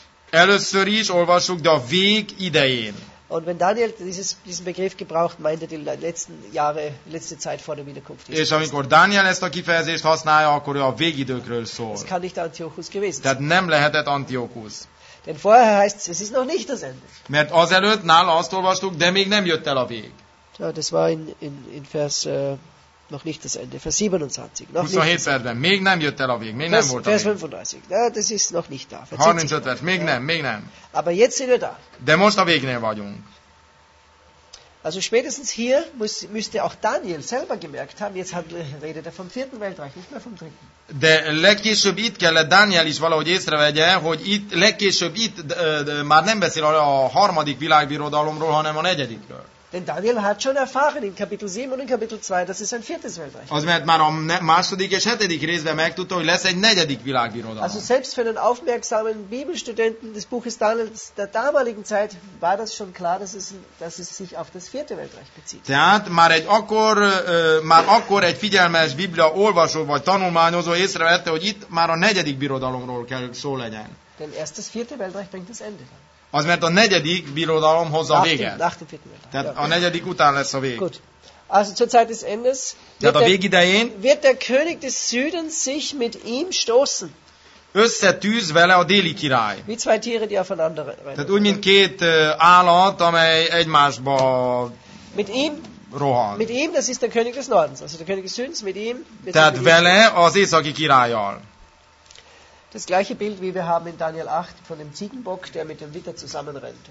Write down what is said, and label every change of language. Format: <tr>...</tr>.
<hu>Először is olvasunk, de a vég idején.</hu> <de>Und wenn Daniel diesen Begriff gebraucht, meint er die letzten Jahre, letzte Zeit vor der Wiederkunft.</de> <hu>És amikor Daniel ezt a kifejezést használja, akkor ő a végidőkről szól.</hu> <de>Es kann nicht Antiochus gewesen.</de> <hu>Tehát nem lehetett Antiochus.</hu> <de>Denn vorher heißt es ist noch nicht das Ende.</de> <hu>Mert azelőtt nála azt olvastuk, de még nem jött el a vég.</hu> <de>Ja, das war in Vers noch nicht das Ende, Vers 27. Noch 27 Verben.</de> <hu>Még nem jött el a vég, még nem volt a vég.</hu> <de>Vers 35. Ja, das ist noch nicht da.</de> <hu>35 Vers. Még nem, még nem.</hu> <de>Aber jetzt sind wir da.</de> <hu>De most a végnél vagyunk.</hu> <de>Also spätestens hier müsste auch Daniel selber gemerkt haben, jetzt redet er vom vierten Weltreich, nicht mehr vom dritten.</de> <hu>De legkésőbb itt kellett Daniel is valahogy észrevegye, hogy itt legkésőbb itt már nem beszél a harmadik világbirodalomról, hanem a negyedikről.</hu> <de>Denn Daniel hat schon erfahren in Kapitel 7 und in Kapitel 2, dass es ein viertes Weltreich.</de> <hu>Az mert már a második és hetedik részben megtudta, hogy lesz egy negyedik világbirodalom.</hu> <de>Also selbst für den aufmerksamen Bibelstudenten des Buches Daniels der damaligen Zeit war das schon klar, dass es sich auf das vierte Weltreich bezieht.</de> <hu>Tehát már akkor egy figyelmes Biblia olvasó vagy tanulmányozó észrevette, hogy itt már a negyedik birodalomról kell szó legyen.</hu> <de>Denn erst das vierte Weltreich bringt das Ende.</de> <hu>Az mert a negyedik birodalom hozza a véget. Tehát a negyedik után lesz a vég.</hu> <de>Gut. Also zur Zeit des Endes.</de> <hu>Tehát a vég idején.</hu> <de>Wird der König des Südens sich mit ihm stoßen.</de> <hu>Összetűz vele a déli király.</hu> <de>Wie zwei Tiere, die aufeinander rennen.</de> <hu>Tehát úgy, mint két állat, amely egymásba</hu> <de>mit ihm,</de> <hu>rohan.</hu> <de>Mit ihm, das ist der König des Nordens. Also der König des Südens mit ihm. Mit</de> <hu>tehát vele az északi királlyal.</hu> <de>Das gleiche Bild, wie wir haben in Daniel 8 von dem Ziegenbock, der mit dem Witter zusammenrennt.</de>